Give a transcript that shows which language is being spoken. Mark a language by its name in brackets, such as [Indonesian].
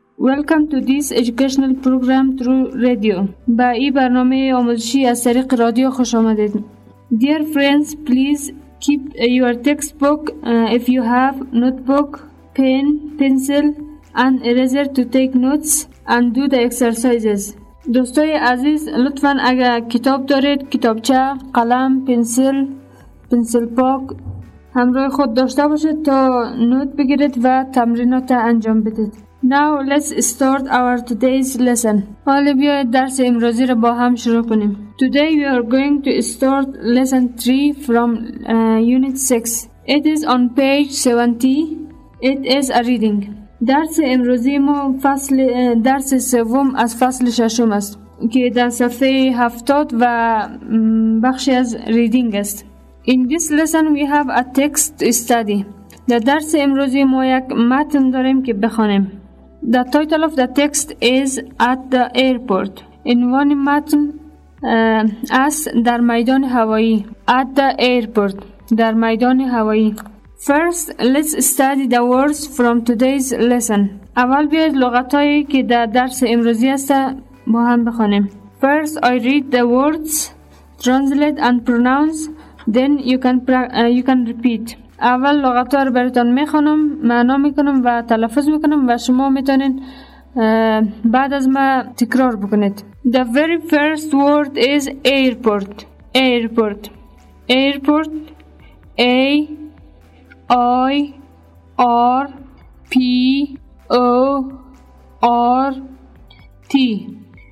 [English] Welcome to this educational program through radio. [Persian] Ba e barname amozishi az tariq radio khosh omadid. [English] Dear friends, please keep your textbook if you have notebook, pen, pencil, and eraser to take notes and do the exercises. [Persian] دوستای عزیز لطفاً اگر کتاب دارید، کتابچه، قلم، پنسل، پنسل پاک همراه خود داشته باشید تا نوت بگیرید و تمرینات انجام بدید. [English] Now let's start our today's lesson. [Persian] حالا بیاید درس امروزی رو با هم شروع کنیم. [English] Today we are going to start lesson 3 from unit 6. It is on page 70. It is a reading. [Persian] درس امروزی ما فصل درس سوم از فصل ششم است که در صفحه 70 و بخشی از ریدینگ است. [English] In this lesson we have a text study. [Persian] در درس امروزی ما یک متن داریم که بخوانیم. [English] The title of the text is At the Airport. [Persian] عنوان متن است در میدان هوایی. [English] At the Airport. [Persian] در میدان هوایی. [English] First, let's study the words from today's lesson. [Persian] اول بیاید لغتایی که در درس امروزی است با هم بخونیم. [English] First, I read the words, translate and pronounce, then you can repeat. [Persian] اول لغتا رو براتون میخونم، معنا میکنم و تلفظ میکنم و شما میتونید بعد از ما تکرار بکنید. [English] The very first word is airport. Airport. Airport. A I R P O R T.